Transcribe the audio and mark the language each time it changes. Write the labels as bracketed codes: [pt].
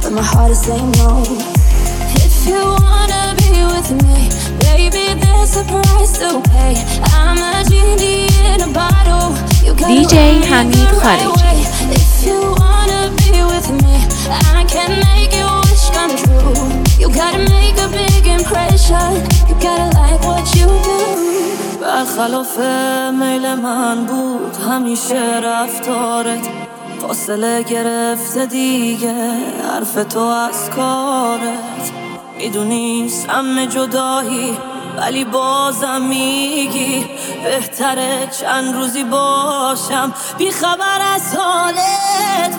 [en] But my heart is saying no. If you wanna be with me, baby, there's a price to pay. I'm a genie in a bottle. [fa] DJ حمید خارجی. [en] If you wanna be with me, I can make your wish come true. You gotta make a big impression, you gotta like what you do. [fa] برخلاف میل من بود همیشه رفتارت، فاصله گرفت دیگه حرف تو از کارت. میدونی سم جدایی، ولی بازم میگی بهتره چند روزی باشم بی خبر از حالت.